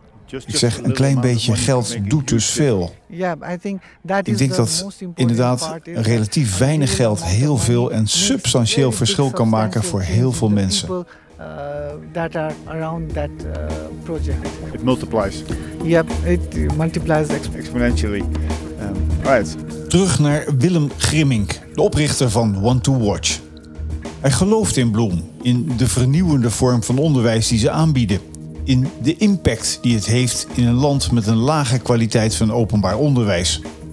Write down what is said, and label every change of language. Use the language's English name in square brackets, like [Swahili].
[Dutch] Ik zeg, een klein beetje geld doet dus veel. Ik denk dat inderdaad relatief weinig geld heel veel en substantieel verschil kan maken voor heel veel mensen. [English] That are around that project. It multiplies. Yep, it multiplies exponentially. Right. [Dutch] Terug naar Willem Grimmink, de oprichter van One to Watch. Hij gelooft in Bloem, in de vernieuwende vorm van onderwijs die ze aanbieden. In de impact die het heeft in een land met een lage kwaliteit van openbaar onderwijs.